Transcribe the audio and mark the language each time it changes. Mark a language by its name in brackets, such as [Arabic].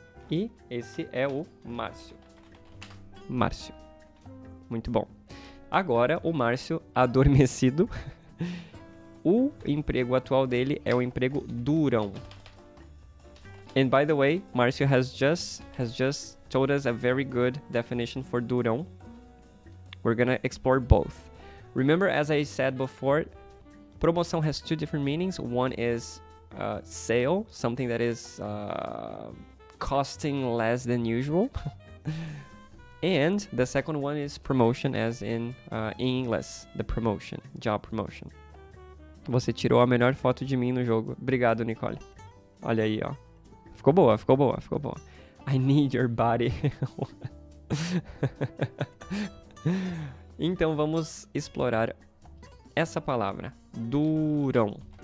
[Portuguese] E esse é o Márcio. Márcio. Muito bom. Agora, o Márcio adormecido. O emprego atual dele é o emprego durão. [English] And by the way, Márcio has just told us a very good definition for durão. We're gonna explore both. Remember, as I said before, promoção has two different meanings. One is sale, something that is costing less than usual. And the second one is promotion, as in English, the promotion, job promotion. [Portuguese] Você tirou a melhor foto de mim no jogo. Obrigado, Nicole. Olha aí, ó. Ficou boa, ficou boa, ficou boa. [English] I need your body. [Portuguese] Então vamos explorar essa palavra, durão.